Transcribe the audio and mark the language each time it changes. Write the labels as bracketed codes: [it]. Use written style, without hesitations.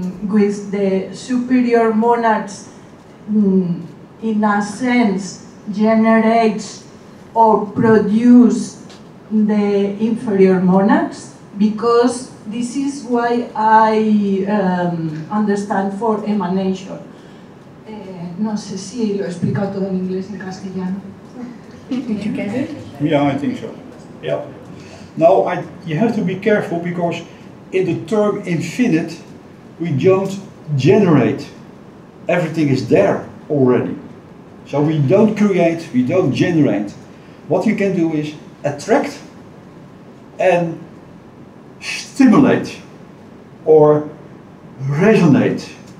[en] with the superior monarchs in a sense generates or produce the inferior monarchs, because this is why I understand for emanation. [es] No sé si lo he explicado todo en inglés y en castellano. [en] Did you get it? Yeah, I think so. Yeah. Now, you have to be careful, because in the term infinite, we don't generate. Everything is there already. So we don't create, we don't generate. What you can do is attract and stimulate, or resonate.